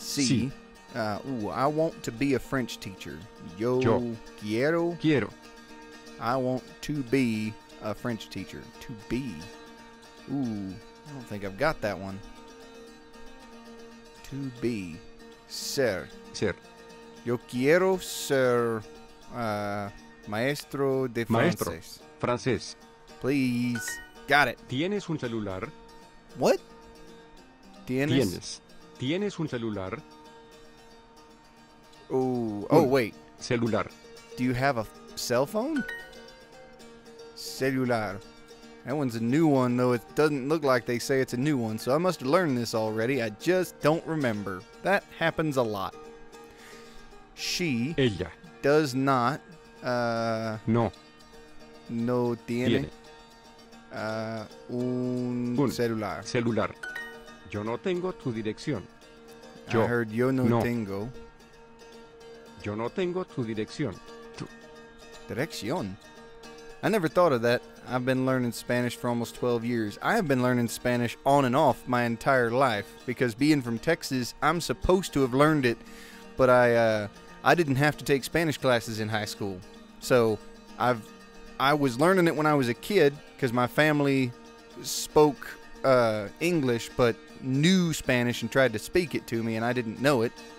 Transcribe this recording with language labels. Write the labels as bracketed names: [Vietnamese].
[Spanish] Sí. [English] I want to be a French teacher. [Spanish] Yo quiero. [English] I want to be a French teacher. To be. I don't think I've got that one. To be. Ser. [Spanish] Yo quiero ser maestro de francés. Maestro. Francés. [English] Please. Got it. [Spanish] ¿Tienes un celular? [English] What? [Spanish] ¿Tienes un celular? [English] Wait. [Spanish] Celular. [English] Do you have a cell phone? Celular. That one's a new one, though it doesn't look like they say it's a new one, so I must have learned this already. I just don't remember. That happens a lot. [Spanish] Ella. [English] Does not. [Spanish] No. No tiene. Un celular. Celular. Yo no tengo tu dirección. [English] I heard [Spanish] yo no tengo. Yo no tengo tu dirección. [English] Dirección. I never thought of that. I've been learning Spanish for almost 12 years. I have been learning Spanish on and off my entire life because being from Texas, I'm supposed to have learned it, but I didn't have to take Spanish classes in high school. So I was learning it when I was a kid because my family spoke English but knew Spanish and tried to speak it to me and I didn't know it.